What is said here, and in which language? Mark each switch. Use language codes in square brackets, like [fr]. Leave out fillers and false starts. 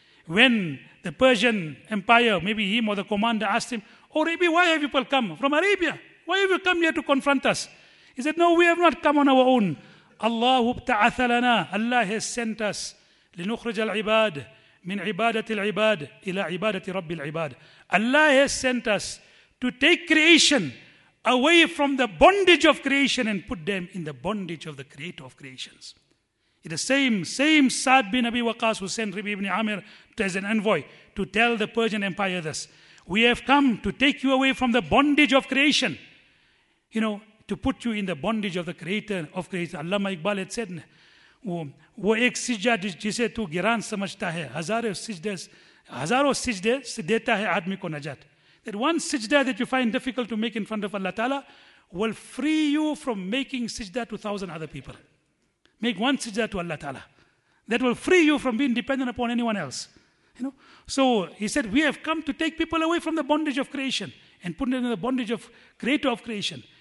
[en] When the Persian Empire, maybe him or the commander, asked him, Rabi, why have people come from Arabia? Why have you come here to confront us? He said, no, we have not come on our own. [ar] Allah ibta'atha lana. [en] Allah has sent us. [ar] لنخرج العباد من عبادة العباد إلى عبادة رب العباد. [en] Allah has sent us to take creation away from the bondage of creation and put them in the bondage of the creator of creations. In the same Sa'd bin Abi Waqqas who sent Rabi ibn Amir as an envoy to tell the Persian Empire this. We have come to take you away from the bondage of creation. You know, to put you in the bondage of the creator of creation. Allama Iqbal had said, [ur] وہ ایک سجدہ جسے تو گران سمجھتا ہے, ہزاروں سجدے دیتا ہے آدمی کو نجات. [en] That one sijda that you find difficult to make in front of Allah Ta'ala will free you from making sijda to 1,000 other people. Make one sijda to Allah Ta'ala. That will free you from being dependent upon anyone else. You know, so he said, we have come to take people away from the bondage of creation and put them in the bondage of creator of creation.